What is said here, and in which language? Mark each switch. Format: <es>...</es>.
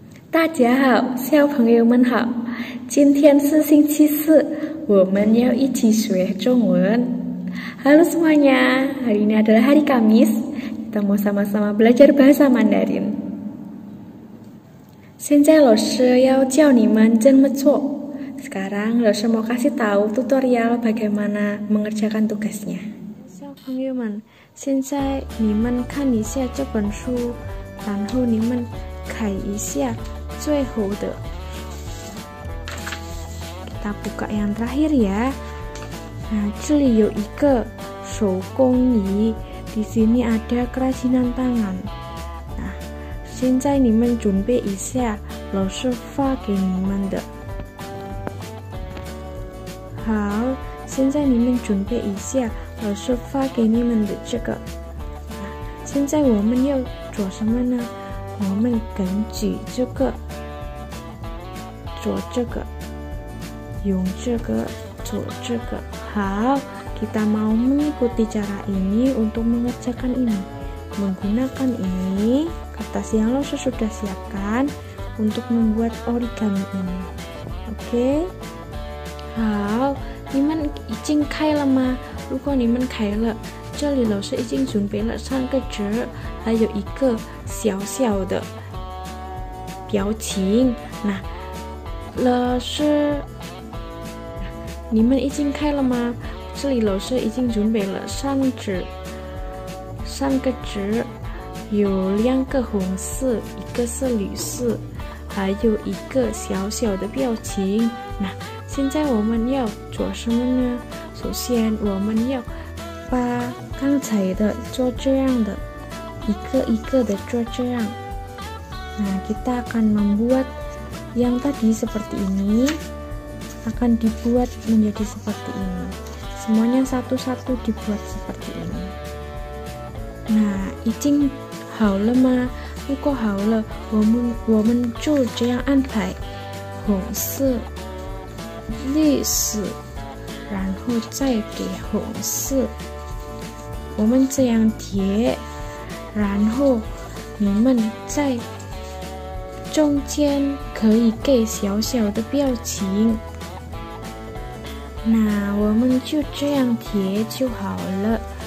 <zh>大家好，小朋友们好，今天是星期四，我们要一起学中文。</zh> <id>Halo semuanya, hari ini adalah hari Kamis, kita mau sama-sama belajar bahasa Mandarin。</id> <zh>现在老师要教你们怎么做。</zh> <id>Sekarang, 老师 mau kasih tahu tutorial bagaimana mengerjakan tugasnya。</id> <zh>小朋友们，现在你们看一下这本书，然后你们看一下。最后的</zh> <id>kita buka yang terakhir ya。</id> <zh>Nah, 这里有一个手工椅，</zh> <id>di sini ada kerajinan tangan。</id> <zh>Nah, 现在你们准备一下老师发给你们的。好， 现在你们准备一下老师发给你们的这个。 Nah, 现在我们要做什么呢？我们根据这个做这个，用这个做这个。</zh> <id>好， kita mau mengikuti cara ini untuk mengerjakan ini， menggunakan ini kertas yang lo sudah siapkan untuk membuat origami ini。</id> <zh>Oke， 好， 你们已经开了吗？如果你们开了，这里老师已经准备了三个纸，还有一个小小的表情。那老师，你们已经开了吗？这里老师已经准备了三个纸，有两个红色，一个是绿色，还有一个小小的表情。那现在我们要做什么呢？首先我们要把刚才的做这样的，一个一个的做这样。</zh> <id>Nah, kita akan membuat yang tadi seperti ini, akan dibuat menjadi seperti ini. Semuanya satu-satu dibuat seperti ini.</id> <zh>Nah, 已经好了吗？如果好了，我们就这样安排：红色、绿色，然后再给红色。我们这样叠，然后你们在中间可以给小小的表情，那我们就这样叠就好了。</zh>